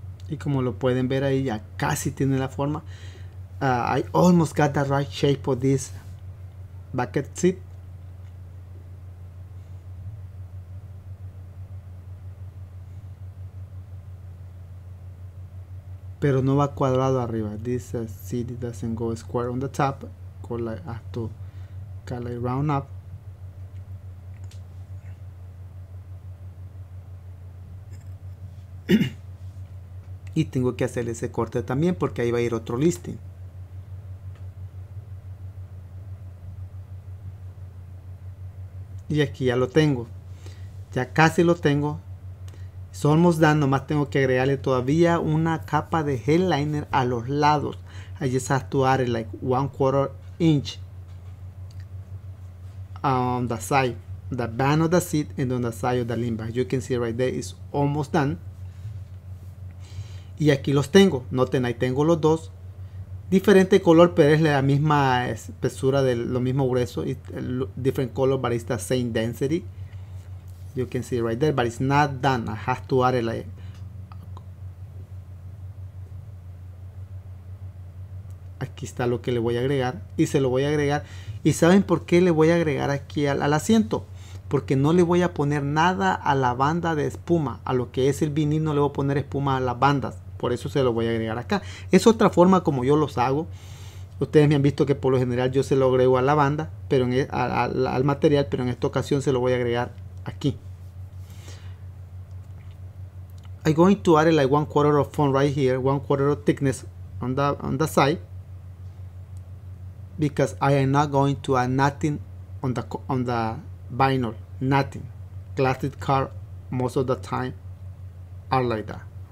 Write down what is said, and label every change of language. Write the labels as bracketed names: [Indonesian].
[Spanish] Y como lo pueden ver ahí, ya casi tiene la forma. [English] I almost got the right shape of this bucket seat. [Spanish] Pero no va cuadrado arriba. [English] This seat doesn't go square on the top. Call it, I have to call it round up. [Spanish] Y tengo que hacer ese corte también, porque ahí va a ir otro listing. Y aquí ya lo tengo. Ya casi lo tengo. Somos Dan, nomás tengo que agregarle todavía una capa de headliner a los lados. [English] I just have to add it like 1/4 inch on the side, the band of the seat, and on the side of the limbar. You can see right there, it's almost done. [Spanish] Y aquí los tengo. Noten, ahí tengo los dos. Diferente color, pero es la misma espesura de lo mismo grueso. [English] Different color, but it's the same density. You can see right there, but it's not done. I have to add it like 1/4 inch. [Spanish] Aquí está lo que le voy a agregar y se lo voy a agregar. ¿Y saben por qué le voy a agregar aquí al asiento? Porque no le voy a poner nada a la banda de espuma, a lo que es el vinil. No le voy a poner espuma a las bandas, por eso se lo voy a agregar acá. Es otra forma como yo los hago. Ustedes me han visto que por lo general yo se lo agrego a la banda, pero al material, pero en esta ocasión se lo voy a agregar aquí. [English] I'm going to add like 1/4 of foam right here, 1/4 of thickness on the side, because I am not going to add nothing on the vinyl, nothing. Classic car most of the time are like that.